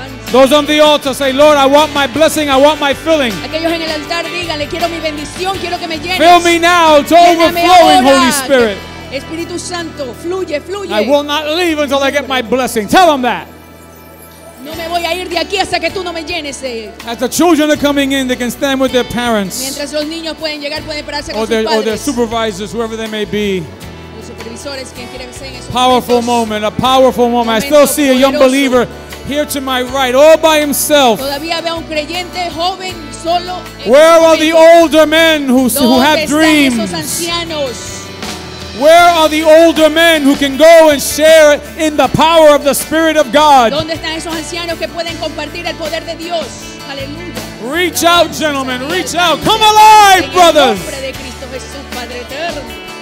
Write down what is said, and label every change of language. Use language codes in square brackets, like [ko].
[en] Those on the altar say, Lord, I want my blessing, I want my filling. [es] Aquellos en el altar díganle, quiero mi bendición, quiero que me llenes. [en] Fill me now to overflowing, Holy Spirit. [es] Espíritu Santo, fluye, fluye. [en] I will not leave until I get my blessing. Tell them that. [es] No me voy a ir de aquí hasta que tú no me llenes. [en] As the children are coming in, they can stand with their parents. [es] Mientras los niños pueden llegar, pueden pararse con sus padres. [en] Or their supervisors, whoever they may be. [es] Los supervisores, quien quiera que sea en esos [en] powerful [es] momentos. [en] Moment, a powerful moment. I still see a young believer here to my right, all by himself. [es] Todavía veo un creyente joven solo. [en] Where are the older men who have dreams? [es] ¿Dónde están esos ancianos? [en] Where are the older men who can go and share in the power of the Spirit of God? [es] ¿Dónde están esos ancianos que pueden compartir el poder de Dios? Aleluya. [en] Reach out, gentlemen. Reach out. Come alive, brothers. [es] En el nombre de Cristo Jesús, Padre eterno.